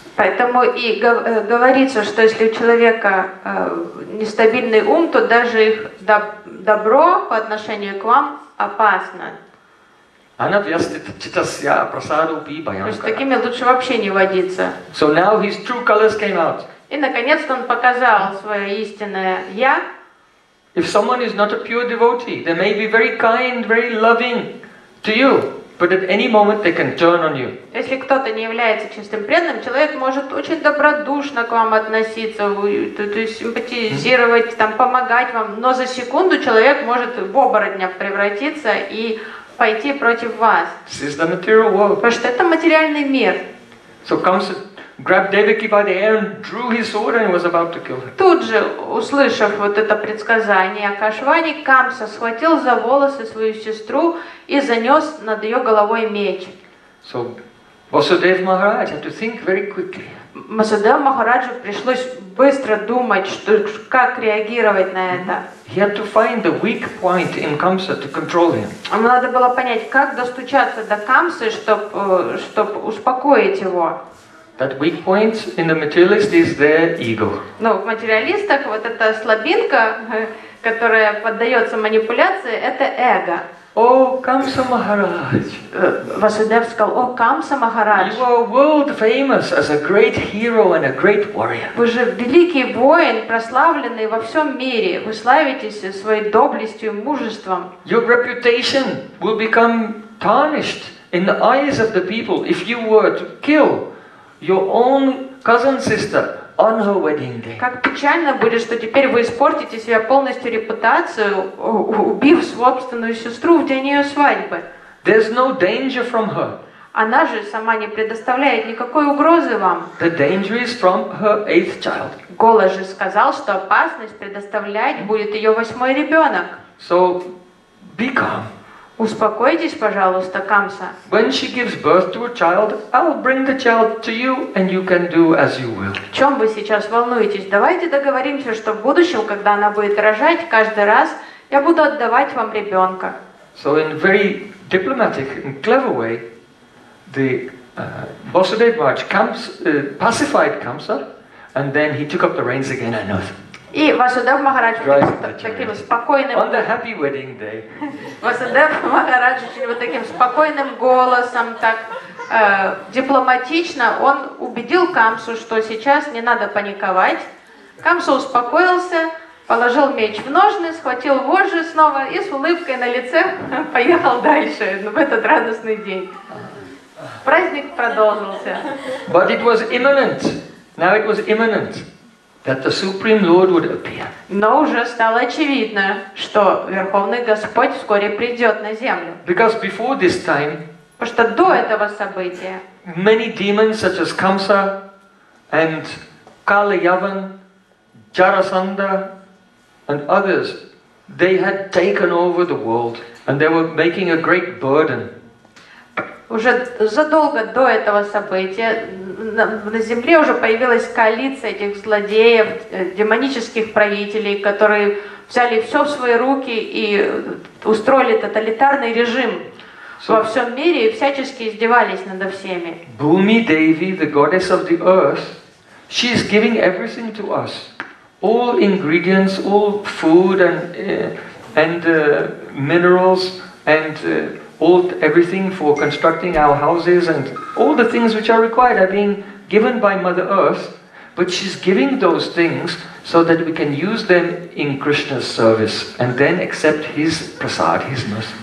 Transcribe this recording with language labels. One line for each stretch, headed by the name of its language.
Russian: Поэтому и говорится, что если у человека нестабильный ум, то даже их добро по отношению к вам опасно. То есть такими лучше вообще не водиться.
English: So now his true colors came out.
Russian: И наконец-то он показал свое истинное я.
English: If someone is not a pure devotee, they may be very kind, very loving to you. But at any moment they can turn on you.
Russian: Если кто-то не является чистым преданным, человек может очень добродушно к вам относиться, то есть симпатизировать, там помогать вам, но за секунду человек может в оборотня превратиться и пойти против вас.
English: This is the material world.
Russian: Потому что это материальный мир.
English: So comes grabbed Devaki by the hair and drew his sword and was about to kill her.
Russian: Тут же, услышав вот это предсказание, Акашвани, Камса схватил за волосы свою сестру и занес над ее головой меч.
English: So, Vasudev Maharaj had to think very quickly.
Russian: Vasudev Maharaju пришлось быстро думать, что, как реагировать на это.
English: He had to find the weak point in Kamsa to control him.
Russian: Ему надо было понять, как достучаться до Камсы, чтоб успокоить его.
English: That weak point in the materialist is their ego.
Russian: Но в материалистах вот эта слабинка, которая поддается манипуляции, это эго. О, Камса Махарадж. Васудев сказал: О, Камса Махарадж.
English: You are world famous as a great hero and a great warrior.
Russian: Вы же великий воин, прославленный во всем мире. Вы славитесь своей доблестью и мужеством.
English: Your reputation will become tarnished in the eyes of the people if you were to kill your own cousin sister on her wedding day.
Russian: Как печально будет, что теперь вы испортите себе полностью репутацию, убив собственную сестру в день ее свадьбы.
English: There's no danger from her.
Russian: Она же сама не предоставляет никакой угрозы вам.
English: The danger is from her eighth child.
Russian: Гола же сказал, что опасность предоставлять будет ее восьмой ребенок.
English: So be calm.
Russian: Успокойтесь, пожалуйста, Камса.
English: When she gives birth to a child, I'll bring the child to you, and you can do as you will.
Russian: В чем вы сейчас волнуетесь? Давайте договоримся, что в будущем, когда она будет рожать, каждый раз я буду отдавать вам ребенка.
English: So in very diplomatic and clever way, the Vasudev Maharaj pacified Kamsa, and then he took up the reins again and off.
Russian: И Васудев Махарадж таким спокойным
English: on the happy wedding day.
Russian: Васудев Махарадж вот таким спокойным голосом, так дипломатично, он убедил Камсу, что сейчас не надо паниковать. Камса успокоился, положил меч в ножны, схватил вожжи снова и с улыбкой на лице поехал дальше в этот радостный день. Праздник продолжился.
English: But it was imminent. Now it was imminent. That the Supreme Lord would appear.
Russian: Но уже стало очевидно, что Верховный Господь вскоре придет на землю.
English: Because before this time,
Russian: потому что до этого события,
English: many demons such as Kamsa and Kali Yavan, Jarasandha and others, they had taken over the world and they were making a great burden.
Russian: Уже задолго до этого события на земле уже появилась коалиция этих злодеев, демонических правителей, которые взяли все в свои руки и устроили тоталитарный режим во всем мире и всячески издевались над всеми.
English: Bhumi Devi, the goddess of the earth, she is giving everything to us. All ingredients, all food and minerals everything for constructing our houses and all the things which are required are being given by Mother Earth, but she's giving those things so that we can use them in Krishna's service and then accept his prasad, his mercy.